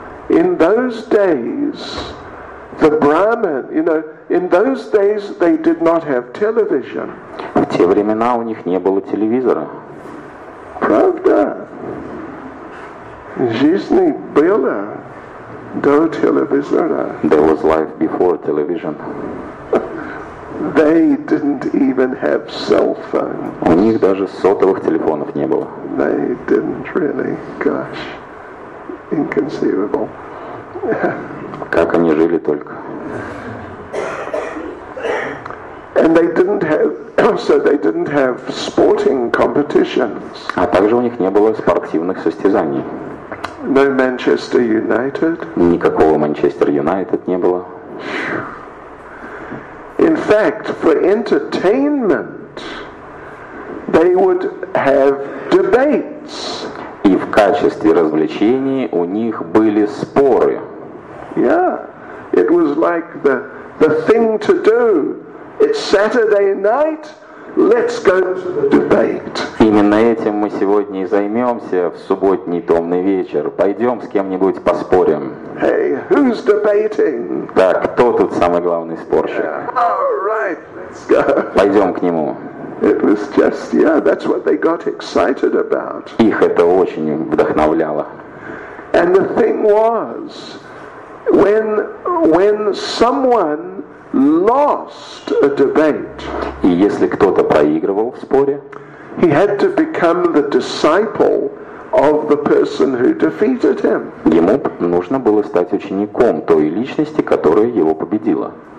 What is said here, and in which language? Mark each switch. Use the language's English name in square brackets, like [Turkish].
[English] In those days, the Brahmin, you know, in those days they did not have television. [Russian] В те времена у них не было телевизора. Правда? Жизнь была до телевизора. [English] There was life before television. They didn't even have cell phones. [Russian] У них даже сотовых телефонов не было. [English] They didn't really. Gosh, inconceivable. [Russian] Как они жили только? [English] And they didn't have, so they didn't have sporting competitions. [Russian] А также у них не было спортивных состязаний. [English] No Manchester United. [Russian] Никакого Манчестер Юнайтед не было. [English] In fact, for entertainment, they would have debates. [Russian] И в качестве развлечений у них были споры. [English] Yeah, it was like the thing to do. It's Saturday night. Let's go debate. [Russian] Именно этим мы сегодня и займемся в субботний томный вечер. Пойдем с кем-нибудь поспорим. [English] Hey, who's debating? [Russian] Так, кто тут самый главный спорщик? [English] All right, let's go. [Russian] Пойдем к нему. [English] It was just, yeah, that's what they got excited about. [Russian] Их это очень вдохновляло. [English] And the thing was, when someone lost a debate. [Russian] И если кто-то проигрывал в споре, [English] he had to become the disciple of the person who defeated him. [Russian] Ему нужно было стать учеником той личности, которая его победила.